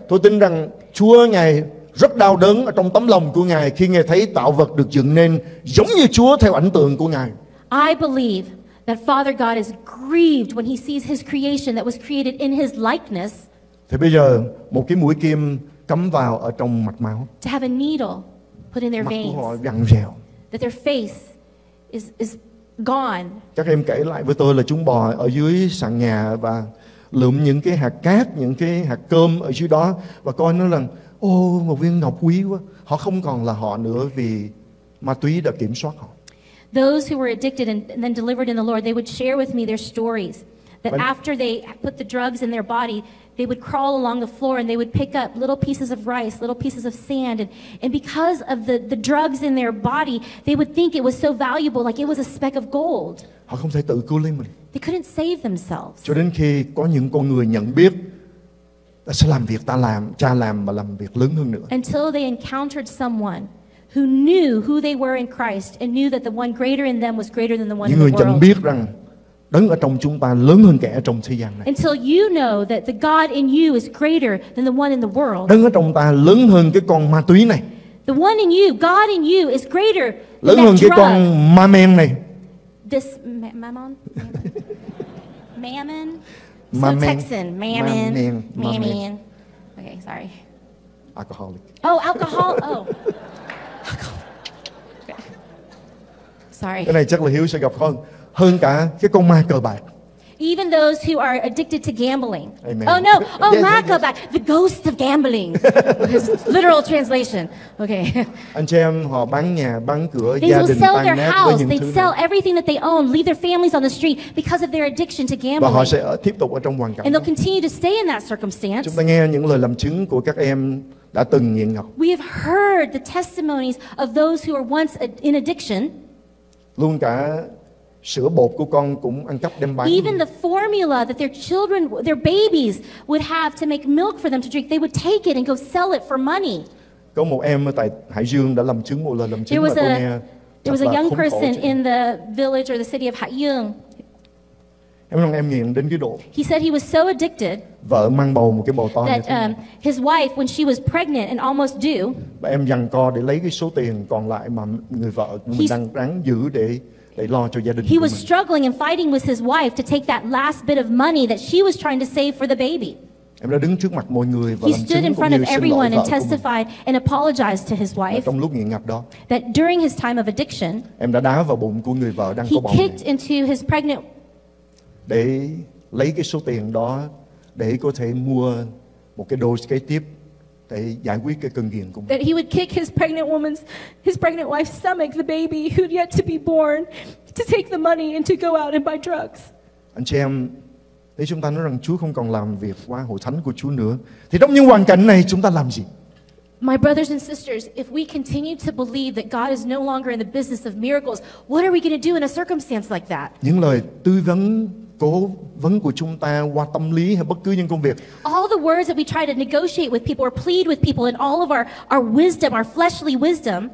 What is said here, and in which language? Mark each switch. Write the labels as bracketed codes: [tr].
[vi] Tôi tin rằng Chúa Ngài rất đau đớn ở trong tấm lòng của Ngài khi Ngài thấy tạo vật được dựng nên giống như Chúa theo ảnh tượng của Ngài. [en] I believe that Father God is grieved when He sees His creation that was created in His likeness. [vi] Thì bây giờ một cái mũi kim cắm vào ở trong mạch máu. [en] To have a needle put in their veins. [vi] Mặt của họ gằn rèo. [en] That their face is gone. [vi] Chắc em kể lại với tôi là chúng bò ở dưới sàn nhà và lượm những cái hạt cát, những cái hạt cơm ở dưới đó và coi nó là ô một viên ngọc quý quá. Họ không còn là họ nữa vì ma túy đã kiểm soát họ. [en] Those who were addicted and then delivered in the Lord, they would share with me their stories that after they put the drugs in their body, they would crawl along the floor and they would pick up little pieces of rice, little pieces of sand, and because of the drugs in their body, they would think it was so valuable, like it was a speck of gold. [vi] Họ không thể tự cứu lấy mình. [en] They couldn't save themselves. [vi] Cho đến khi có những con người nhận biết, ta sẽ làm việc ta làm, cha làm mà làm việc lớn hơn nữa. [en] Until they encountered someone who knew who they were in Christ and knew that the one greater in them was greater than the one in the world. [vi] Những người biết rằng đấng ở trong chúng ta lớn hơn kẻ ở trong thế gian này. [en] Until you know that the God in you is greater than the one in the world. [vi] Đấng ở trong ta lớn hơn cái con ma túy này. [en] The one in you, God in you is greater than that drug. [vi] Lớn hơn cái con ma men này. [en] This mammon? Mammon? Mammon. So Texan, mammon. Mammon. Okay, sorry. Alcoholic. Oh, alcohol. Oh. Sorry. [vi] Cái này chắc là Hiếu sẽ gặp hơn hơn cả cái con ma cờ bạc. [en] Even those who are addicted to gambling. Amen. Oh no, [vi] oh ma cờ bạc, [en] the ghost of gambling. Literal translation. Okay. [vi] Anh chị em họ bán nhà, bán cửa, [en] they [vi] gia đình, [en] sell their [vi] nát [en] house, they sell everything that they own, leave their families on the street because of their addiction to gambling. [vi] Và họ sẽ tiếp tục ở trong hoàn cảnh. [en] And they'll continue to stay in that circumstance. [vi] Chúng ta nghe những lời làm chứng của các em đã từng nghiện ngập. [en] We have heard the testimonies of those who were once in addiction. [vi] Luôn cả sữa bột của con cũng ăn cắp đem bán. [en] Even the formula that their children, their babies would have to make milk for them to drink, they would take it and go sell it for money. [vi] Có một em tại Hải Dương đã làm chứng một lần làm chứng mà cô nghe. [en] There was a young person in the village or the city of Hải Dương. [vi] Em nói em nghiện đến cái độ. [en] He said he was so addicted. [vi] Vợ mang bầu một cái bầu to. [en] That his wife, when she was pregnant and almost due. [vi] Em giằng co để lấy cái số tiền còn lại mà người vợ mình đang ráng giữ để lo cho gia đình. [en] He was struggling and fighting with his wife to take that last bit of money that she was trying to save for the baby. [vi] Em đã đứng trước mặt mọi người và [en] he stood in front of everyone and testified and apologized to his wife. [vi] Trong lúc nghiện ngập đó. [en] That during his time of addiction. [vi] Em đã đá vào bụng của người vợ đang có bầu. [en] He kicked into his pregnant. [vi] Để lấy cái số tiền đó để có thể mua một cái dose kế tiếp để giải quyết cái cơn nghiện của mình. [en] That he would kick his pregnant wife's stomach, the baby who'd yet to be born, to take the money and to go out and buy drugs. [vi] Anh chị em, nếu chúng ta nói rằng Chúa không còn làm việc qua hội thánh của Chúa nữa, thì trong những hoàn cảnh này chúng ta làm gì? [en] My brothers and sisters, if we continue to believe that God is no longer in the business of miracles, what are we going to do in a circumstance like that? [vi] Những lời tư vấn cố vấn của chúng ta qua tâm lý hay bất cứ những công việc. [en] All the words that we try to negotiate with people or plead with people in all of our wisdom, our fleshly wisdom.